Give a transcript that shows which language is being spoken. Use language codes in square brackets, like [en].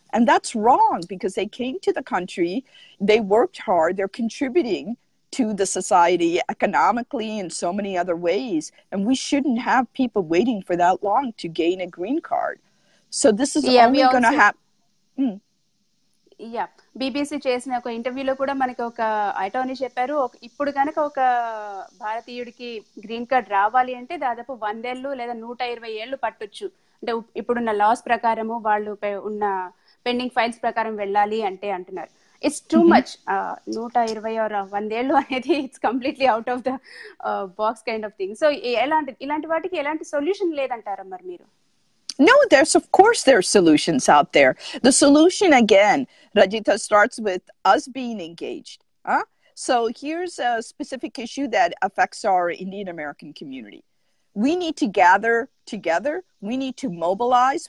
[en] And that's wrong, because they came to the country, they worked hard, they're contributing to the society economically in so many other ways. And we shouldn't have people waiting for that long to gain a green card. So this is only going to happen. [te] BBC చేసిన ఒక ఇంటర్వ్యూలో కూడా మనకి ఒక attorney చెప్పారు, ఇప్పుడు కనుక ఒక భారతీయుడికి గ్రీన్ కార్డ్ రావాలి అంటే దాదాపు 100 ఏళ్ళు లేదా 120 ఏళ్ళు పట్టొచ్చు. అంటే ఇప్పుడున్న లాస్ ప్రకారము వాళ్ళు ఉన్న పెండింగ్ ఫైల్స్ ప్రకారం వెళ్ళాలి అంటే అంటున్నారు. [en] It's too much. 120 or 100 [te] ఏళ్ళు అనేది [en] It's completely out of the box kind of thing. [te] So ఇలాంటి వాటికి ఎలాంటి సొల్యూషన్ లేదంటారా మరి మీరు? [en] No, there's, of course, there are solutions out there. The solution, again, Rajita, starts with us being engaged. So here's a specific issue that affects our Indian American community. We need to gather together. We need to mobilize.